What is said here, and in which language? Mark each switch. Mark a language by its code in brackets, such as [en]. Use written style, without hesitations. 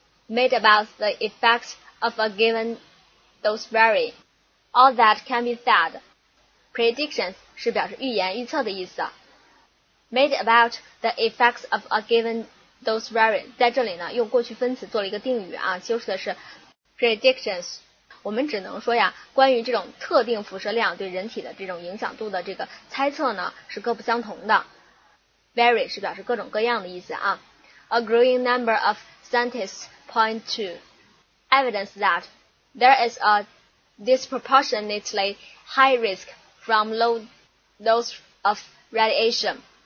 [en] Made about the effects of a given dose vary. All that can be said. [zh] Predictions 是表示预言预测的意思。 [en] Made about the effects of a given dose vary. [zh] 在这里呢用过去分词做了一个定语啊，修饰的是 predictions. 我们只能说呀，关于这种特定辐射量对人体的这种影响度的这个猜测呢是各不相同的。 Vary 是表示各种各样的意思啊。 [en] A growing number of scientistspoint to evidence that there is a disproportionately high risk from low dose of radiation.